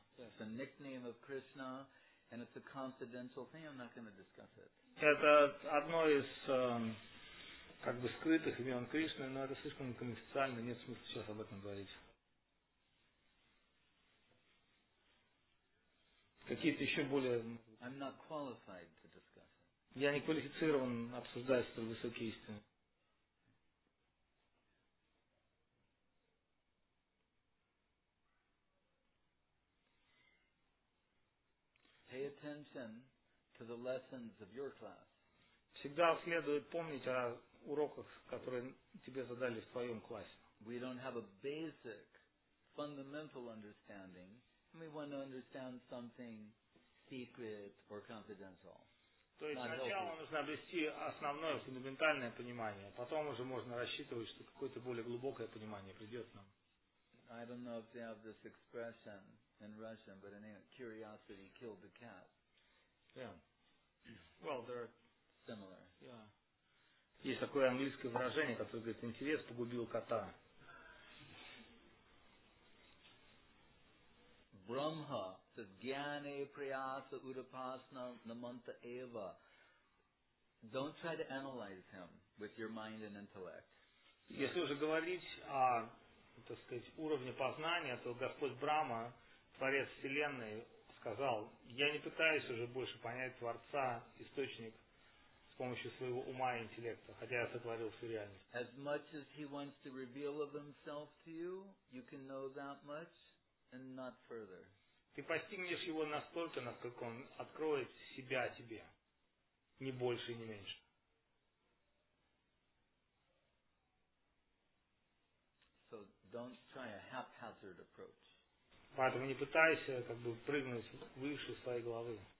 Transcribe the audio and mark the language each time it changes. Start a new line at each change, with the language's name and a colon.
English: It's a nickname of Krishna, and it's a confidential thing. I'm not going to discuss it.
Russian: Это одно из как бы скрытых имен Кришны, но это слишком конфиденциально. Нет смысла сейчас об этом говорить. Какие-то еще более.
English: I'm not qualified to discuss it.
Russian: Я не квалифицирован обсуждать столь высокие истины.
English: Pay attention to the lessons of your class.
Russian: Всегда следует помнить о уроках, которые тебе задали в твоем классе.
English: We don't have a basic, fundamental understanding, and we want to understand something secret or confidential.
Russian: То есть сначала нужно обрести основное, фундаментальное понимание, потом уже можно рассчитывать, что какое-то более глубокое понимание придет нам.
English: I don't know if they have this expression in Russian, but in English, curiosity killed the cat. Yeah. Well, they're similar. Yeah.
Russian: Есть такое английское выражение, которое говорит, интерес погубил кота.
English: Brahma says,
Sanskrit: Gyane Priyasa Udapasna Namanta Eva.
English: Don't try to analyze him with your mind and intellect.
Russian: Если уже говорить о, так сказать, уровне познания, то Господь Брама, Творец Вселенной, сказал, я не пытаюсь уже больше понять Творца, Источник, с помощью своего ума и интеллекта, хотя я сотворил всю реальность.
English: As much as he wants to reveal of himself to you, you can know that much and not further.
Russian: Ты постигнешь его настолько, насколько он откроет себя тебе, не больше и не меньше.
English: So don't try a haphazard approach.
Russian: Поэтому не пытайся как бы прыгнуть выше своей головы.